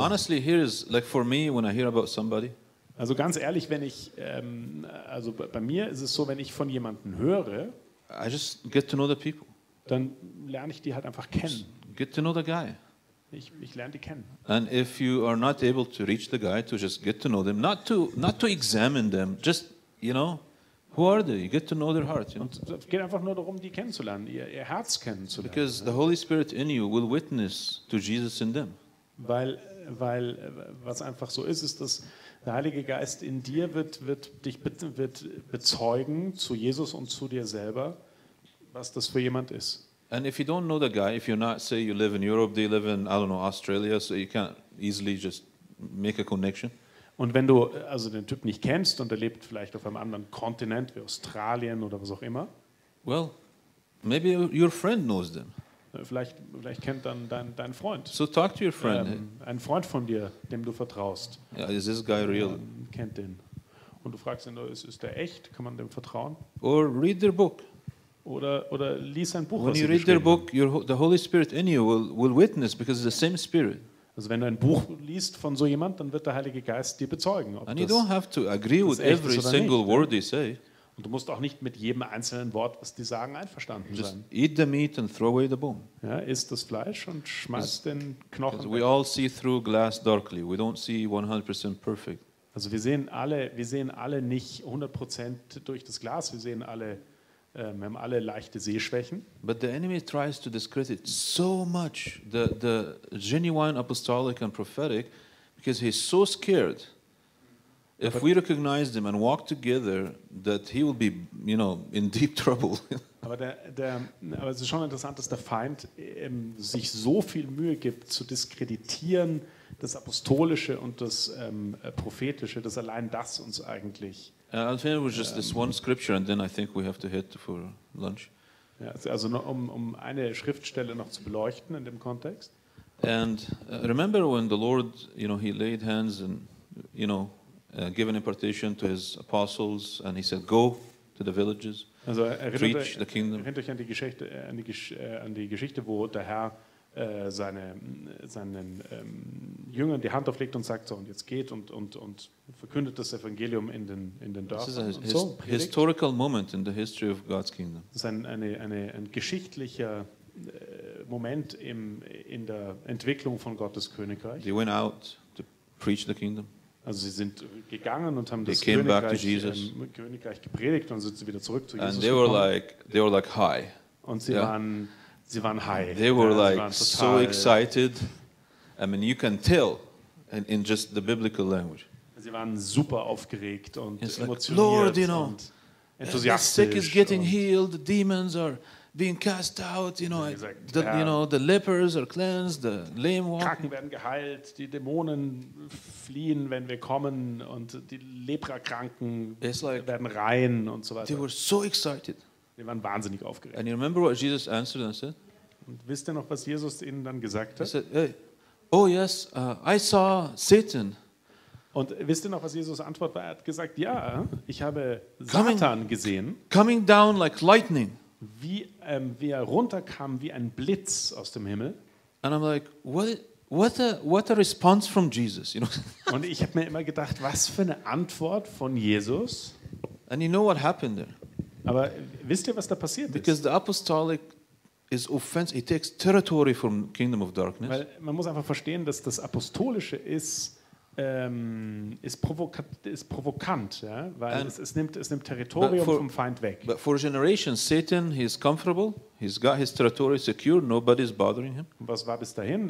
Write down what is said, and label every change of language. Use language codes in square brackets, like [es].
[en] Honestly, here is like for me when I hear about somebody. [de] Also ganz ehrlich, wenn ich also bei mir ist es so, wenn ich von jemandem höre, [en] I just get to know the people. [de] Dann lerne ich die halt einfach kennen. [en] Get to know the guy. [de] Ich lerne die kennen. [en] And if you are not able to reach the guy, to just get to know them, not to examine them, just, you know, who are they? You get to know their heart. You know? [de] Und es geht einfach nur darum, die kennenzulernen, ihr Herz kennenzulernen. [en] Because the Holy Spirit in you will witness to Jesus in them. [de] Weil was einfach so ist, ist, dass der Heilige Geist in dir wird dich bezeugen zu Jesus und zu dir selber, was das für jemand ist. [en] And if you don't know the guy, if you're not, say you live in Europe, they live in, I don't know, Australia, so you can't easily just make a connection. [de] Und wenn du also den Typ nicht kennst und er lebt vielleicht auf einem anderen Kontinent wie Australien oder was auch immer. [en] Well, maybe your friend knows them. [de] Vielleicht kennt dann dein Freund. [en] So talk to your friend. [de] Ein Freund von dir, dem du vertraust. [en] Yeah, is this guy real? [de] Kennt den. Und du fragst ihn, ist der echt? Kann man dem vertrauen? [en] Or read their book. [de] Oder lies sein Buch. [en] When you read their book, the Holy Spirit in you will witness, because it's the same Spirit. [de] Also wenn du ein Buch liest von so jemand, dann wird der Heilige Geist dir bezeugen, ob [en] and you don't have to agree with every single word they say. [de] Und du musst auch nicht mit jedem einzelnen Wort, was die sagen, einverstanden [en] just [de] sein. [en] Eat the meat and throw away the bone. [de] Ja, isst das Fleisch und schmeißt den Knochen. [en] We all see through glass darkly. We don't see 100% perfect. [de] Also wir sehen alle nicht 100% durch das Glas. Wir sehen alle, wir haben alle leichte Sehschwächen. [en] But the enemy tries to discredit so much the genuine apostolic and prophetic, because he's so scared. If we recognize them and walk together, that he will be, you know, in deep trouble. [de] Aber es ist schon interessant, dass der Feind sich so viel Mühe gibt, zu diskreditieren das Apostolische und das Prophetische, dass allein das uns eigentlich. [en] I'll finish with just this one scripture, and then I think we have to head for lunch. [de] Ja, also nur um eine Schriftstelle noch zu beleuchten in dem Kontext. [en] And remember when the Lord, you know, he laid hands and, you know. Given impartation to his apostles, and he said, "Go to the villages, also, preach the kingdom." [de] Erinnert euch an die Geschichte, wo der Herr seinen Jüngern die Hand auflegt und sagt so, und jetzt geht und verkündet das Evangelium in den Dörfern. [en] This is a historical moment in the history of God's kingdom. [de] Das ist ein geschichtlicher Moment in der Entwicklung von Gottes Königreich. [en] They went out to preach the kingdom. [de] Also sie sind gegangen und haben das Königreich gepredigt und sind wieder zurück zu Jesus [en] and they were [de] gekommen. [en] They were like high. [de] Und sie waren high. [en] They were like so excited. I mean, you can tell in just the biblical language. [de] Sie waren super aufgeregt und [en] it's [de] emotioniert [en] like, Lord, you know, [de] und enthusiastisch. [en] The sick is getting healed. The demons are being cast out, you know, the lepers are cleansed, the lame walk. [de] Kranken werden geheilt, die Dämonen fliehen, wenn wir kommen, und die Leprakranken werden rein und so weiter. [en] They were so excited. [de] Die waren wahnsinnig aufgeregt. [en] And you remember what Jesus answered and said? [de] Und wisst ihr noch, was Jesus ihnen dann gesagt hat? [en] He said, hey, oh yes, I saw Satan. [de] Und wisst ihr noch, was Jesus' Antwort war? Er hat gesagt, ja, ich habe Satan gesehen. [en] Coming down like lightning. [de] wie wir runterkamen wie ein Blitz aus dem Himmel. [en] And I'm like, what a response from Jesus, you know? [de] Und ich habe mir immer gedacht, was für eine Antwort von Jesus. [en] And you know what happened there? [de] Aber wisst ihr, was da passiert ist? [en] Because the apostolic is offense, it takes territory from kingdom of darkness. [de] Weil man muss einfach verstehen, dass das Apostolische ist, ist provokant, ja? Weil es nimmt Territorium vom Feind weg. [en] But for generations, Satan, he is comfortable. He's got his territory secure. Nobody's bothering him. [de] Was war bis dahin?